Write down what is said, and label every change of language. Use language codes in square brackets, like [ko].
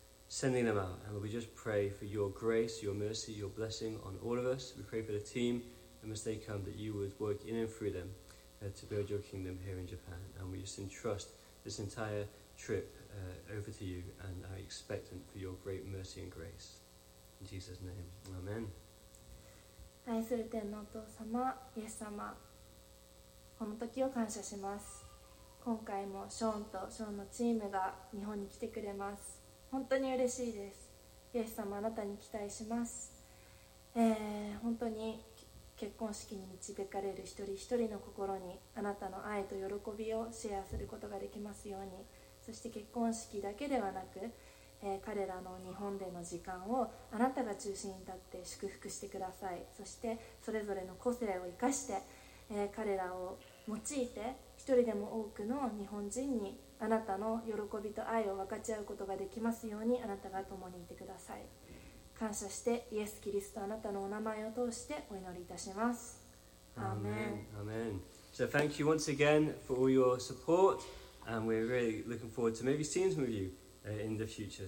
[en] Sending them out, and we just pray for your grace, your mercy, your blessing on all of us. We pray for the team, and as they come, that you would work in and through them to build your kingdom here in Japan. And we just entrust this entire trip over to you, and I expect them for your great mercy and grace. In Jesus' name, amen. [ja] 愛する天のお父様、イエス様、この時を感謝します。今回もショーンとショーンのチームが日本に来てくれます。本当に嬉しいです。イエス様、あなたに期待します。本当に結婚式に導かれる一人一人の心にあなたの愛と喜びをシェアすることができますように、そして結婚式だけではなく、彼らの日本での時間をあなたが中心に立って祝福してください。そしてそれぞれの個性を生かして、彼らを用いて一人でも多くの日本人にあなたの喜びと愛を分かち合うことができますように、あなたが共にいてください。感謝してイエス・キリストあなたのお名前を通してお祈りいたします。アーメン。アーメン。 [en] So thank you once again for all your support, and we're really looking forward to maybe seeing some of youin the future.